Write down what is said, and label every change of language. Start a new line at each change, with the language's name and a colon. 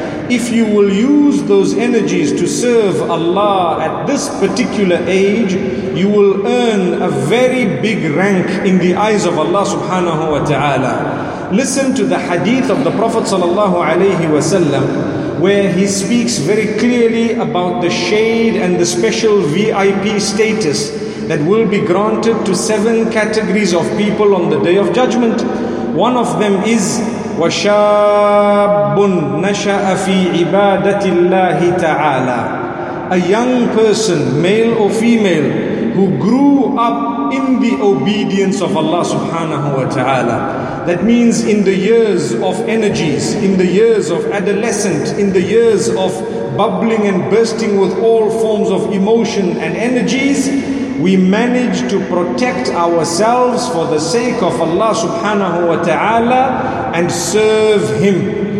English: If you will use those energies to serve Allah at this particular age, you will earn a very big rank in the eyes of Allah subhanahu wa ta'ala. Listen to the hadith of the Prophet sallallahu alayhi wa sallam, where he speaks very clearly about the shade and the special VIP status that will be granted to seven categories of people on the Day of Judgment. One of them is
Arabic: وَشَابٌ نَشَأَ فِي عِبَادَةِ اللَّهِ تَعَالَى.
English: A young person, male or female, who grew up in the obedience of Allah subhanahu wa ta'ala. That means in the years of energies, in the years of adolescence, in the years of bubbling and bursting with all forms of emotion and energies, we manage to protect ourselves for the sake of Allah subhanahu wa ta'ala and serve Him.